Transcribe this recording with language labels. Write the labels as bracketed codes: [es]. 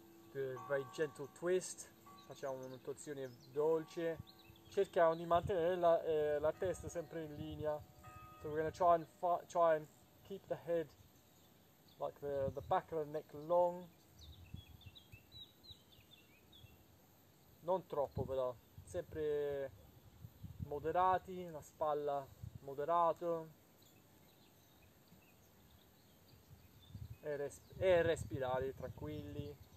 [en] Good, very gentle twist, [it] facciamo una torsione dolce. Cerchiamo di mantenere la testa sempre in linea. [en] So we're gonna try and keep the head, like the back of the neck long. [it] Non troppo però, sempre moderati, la spalla moderato e respirare tranquilli.